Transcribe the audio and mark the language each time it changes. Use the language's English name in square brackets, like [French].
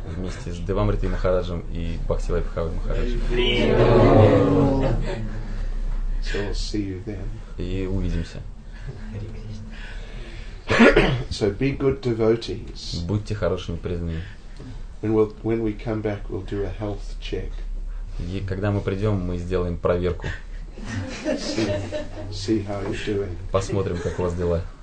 [Russian] Вместе с Девамритой Махараджем и Бхакти Вайбхавой Махараджем. [English] So we'll see you then. [Russian] И увидимся. [English] So be good devotees. [Russian] Будьте хорошими преданными. [English] When we come back, we'll do a health check. [Russian] И когда мы придем, мы сделаем проверку. [English] See how you're doing. [Russian] Посмотрим, как у вас дела.